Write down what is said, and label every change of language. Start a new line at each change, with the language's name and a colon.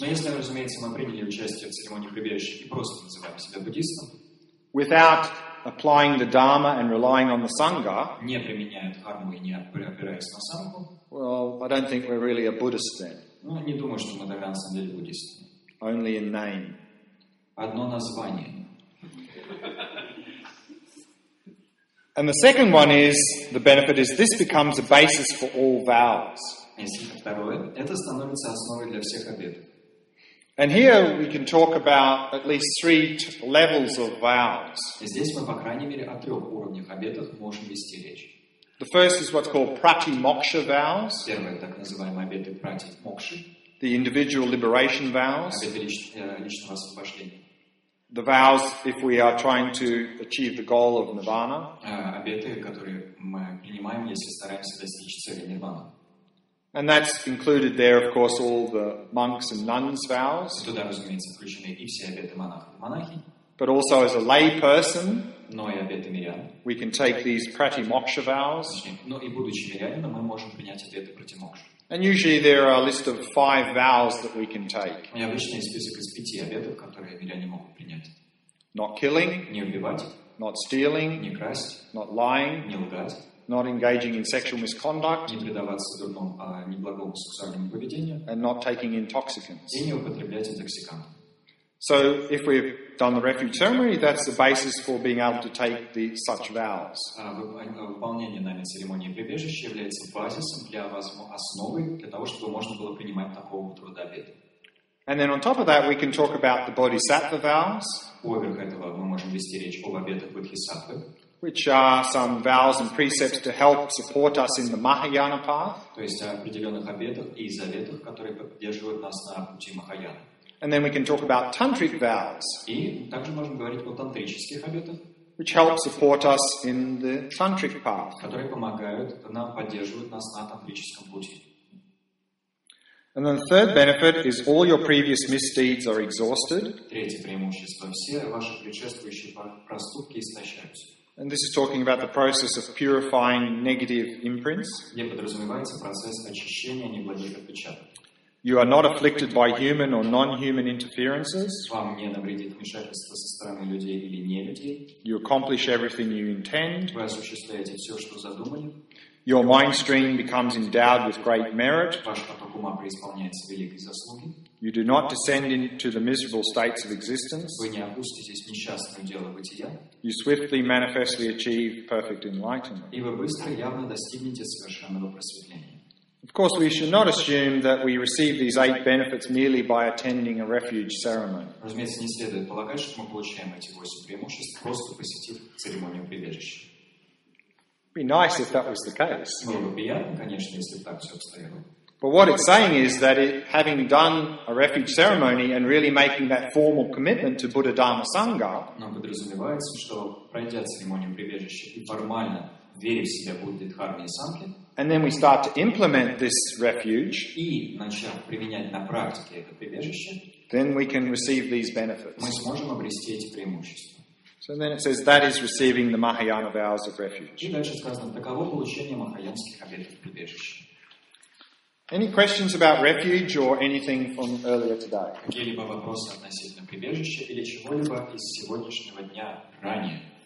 Russian: Но если, разумеется, мы приняли участие в церемонии прибежища и просто называем себя буддистом,
English: without applying the Dharma and relying on the Sangha,
Russian: не применяя Дхарму и не опираясь на Сангху,
English: well, I don't think we're really a Buddhist then.
Russian: Ну, не думаю, что мы тогда на самом деле буддисты.
English: Only in name.
Russian: Одно название.
English: And the second one is, the benefit is, this becomes a basis for all vows.
Russian: Второе, это становится основой для всех обетов.
English: And here we can talk about at least three levels of vows.
Russian: Здесь мы, по крайней мере, о трех уровнях обетов можем вести речь.
English: The first is what's called pratimoksha vows.
Russian: Первое, так называемые обеты пратимокши.
English: the individual liberation vows,
Russian: личного освобождения.
English: The vows, if we are trying to achieve the goal of nirvana,
Russian: обеты, которые мы принимаем, если стараемся достичь цели нирваны.
English: And that's included there, of course, all the monks and nuns' vows.
Russian: Туда, разумеется, включены и все обеты монахов и монахинь.
English: But also as a lay person,
Russian: но и обеты мирян,
English: we can take these pratimoksha vows.
Russian: Но и будучи мирянином, мы можем принять обеты пратимокша.
English: And usually there are a list of five vows that we can take.
Russian: И обычно есть список из пяти обетов, которые миряне могут принять.
English: Not killing.
Russian: Не убивать.
English: Not stealing.
Russian: Не красть.
English: Not lying.
Russian: Не лгать.
English: Not engaging in sexual misconduct.
Russian: Не предаваться дурному, неблагому сексуальному поведению.
English: And not taking intoxicants.
Russian: И не употреблять интоксиканты.
English: So if we've done the refuge ceremony, that's the basis for being able to take the such vows.
Russian: Выполнение нами церемонии прибежища является базисом для вас, основой для того, чтобы можно было принимать такого труда обета.
English: And then on top of that, we can talk about the bodhisattva vows.
Russian: Поверх этого мы можем вести речь об обетах бодхисаттвы.
English: Which are some vows and precepts to help support us in the Mahayana path.
Russian: То есть определенных обетов и заветов, которые поддерживают нас на пути Махаяны.
English: And then we can talk about tantric vows,
Russian: и также можем говорить о тантрических обетах,
English: which help support us in the tantric path,
Russian: которые помогают нам, поддерживают нас на тантрическом пути.
English: And then the third benefit is all your previous misdeeds are exhausted.
Russian: Третье преимущество — все ваши предшествующие проступки истощаются.
English: And this is talking about the process of purifying negative imprints.
Russian: Где подразумевается процесс очищения неблагих отпечатков.
English: You are not afflicted by human or non-human interferences.
Russian: Вам не навредит вмешательство со стороны людей или нелюдей.
English: You accomplish everything you intend.
Russian: Вы осуществляете все, что задумали.
English: Your mind stream becomes endowed with great merit.
Russian: Ваш поток ума преисполняется великой заслуги.
English: You do not descend into the miserable states of existence.
Russian: Вы не опуститесь в несчастное дело бытия.
English: You swiftly, manifestly achieve perfect enlightenment.
Russian: И вы быстро, явно достигнете совершенного просветления.
English: Of course, we should not assume that we receive these eight benefits merely by attending a refuge ceremony.
Russian: Разумеется, не следует полагать, что мы получаем эти восемь преимуществ, просто посетив церемонию прибежища.
English: Be nice if that was the case.
Russian: Было бы приятно, конечно, если бы так все обстояло.
English: But what it's saying is that it, having done a refuge ceremony and really making that formal commitment to Buddha Dhamma Sangha,
Russian: но подразумевается, что пройдя церемонию прибежища и формально верив в себя Будды Дхарме и Сангхе,
English: and then we start to implement this refuge,
Russian: и начав применять на практике это прибежище,
English: then we can receive these benefits.
Russian: Мы сможем обрести эти преимущества.
English: So then it says that is receiving the Mahayana vows of refuge.
Russian: И дальше сказано, таково получение махаянских обетов прибежища.
English: Any questions about refuge or anything from earlier today?
Russian: Какие-либо вопросы относительно прибежища или чего-либо из сегодняшнего дня ранее?